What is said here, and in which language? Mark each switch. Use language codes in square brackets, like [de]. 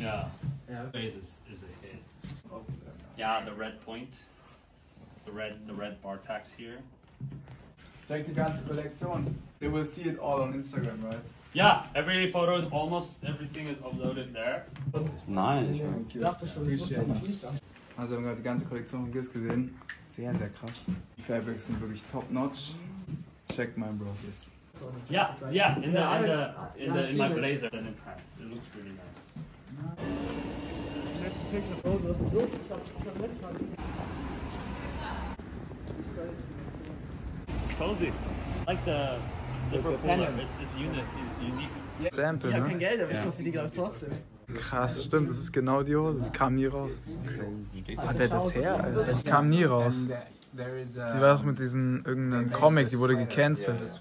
[en] Yeah. Yeah. Is a hit. Yeah, the red point. The red bar tacks here. Check the [de] ganze [en] collection. They will see it all on Instagram, right? Yeah, every photo is almost everything is uploaded there. Nice. [de] Also wir haben gerade die ganze Kollektion von Gis gesehen. Sehr, sehr krass. Die Fabrics sind wirklich [en] top notch. Check my bro, Gis. Yeah, yeah, in my blazer and in pants. It looks really nice. Let's pick up all those clothes. It's cozy. Like the propeller, it's unique. [de] Sample, ich hab kein Geld, aber ich kaufe die glaube ich trotzdem. Krass, stimmt, das ist genau die Hose, die kam nie raus. Hat er das her, Alter? Die kam nie raus. Die war doch mit diesem irgendeinem Comic, die wurde gecancelt.